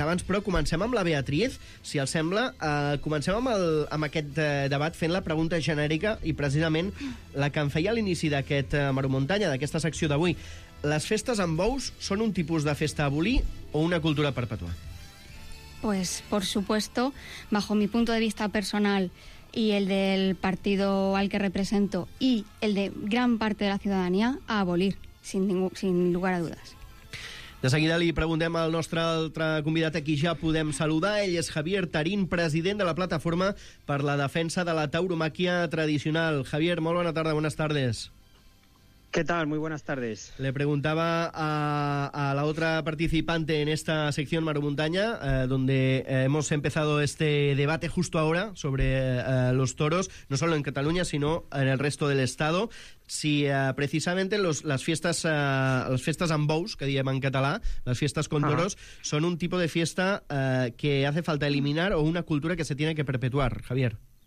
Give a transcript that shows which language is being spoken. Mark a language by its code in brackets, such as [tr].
[ca] Abans, però, comencem amb la Beatriz, si els sembla. Comencem amb aquest debat fent la pregunta genèrica i, precisament, la que em feia a l'inici d'aquest Maromuntanya, d'aquesta secció d'avui. Les festes amb bous són un tipus de festa a abolir o una cultura perpetua? [es] Pues, por supuesto, bajo mi punto de vista personal y el del partido al que represento y el de gran parte de la ciudadanía, a abolir. Sin lugar a dudas. [ca] De seguida li preguntem al nostre altre convidat, a qui ja podem saludar. Ell és Javier Terín, president de la Plataforma per la Defensa de la Tauromàquia Tradicional. Javier, molt bona tarda, [es] buenas tardes. ¿Qué tal? Muy buenas tardes. Le preguntaba a la otra participante en esta sección Maromuntanya, donde hemos empezado este debate justo ahora sobre los toros, no solo en Cataluña, sino en el resto del Estado, si precisamente las fiestas [ca] amb bous, que diem en català, [es] las fiestas con toros, son un tipo de fiesta que hace falta eliminar o una cultura que se tiene que perpetuar, Javier.